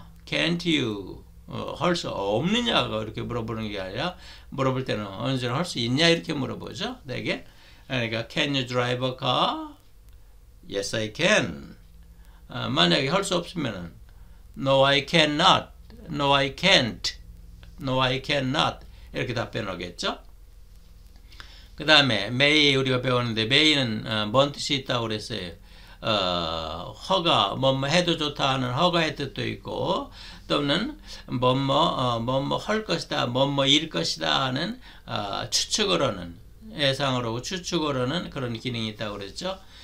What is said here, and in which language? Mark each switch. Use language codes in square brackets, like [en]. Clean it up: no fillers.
[ko] Can't you 할수 없느냐고 이렇게 물어보는 게 아니라 물어볼 때는 운전을 할수 있냐? 이렇게 물어보죠. 내게. [en] 그러니까 Can you drive a car? Yes, I can. [ko] 만약에 할수 없으면은 [en] No, I cannot. No, I can't. No, I cannot. [ko] 이렇게 답변을 하겠죠. 그 다음에 may 우리가 배웠는데 may는 뭔 뜻이 있다고 그랬어요. 허가, 뭐뭐 해도 좋다 하는 허가의 뜻도 있고, 또는 뭐뭐 할 것이다, 뭐뭐 일 것이다 하는 추측으로는, 예상으로 추측으로는 그런 기능이 있다고 그랬죠.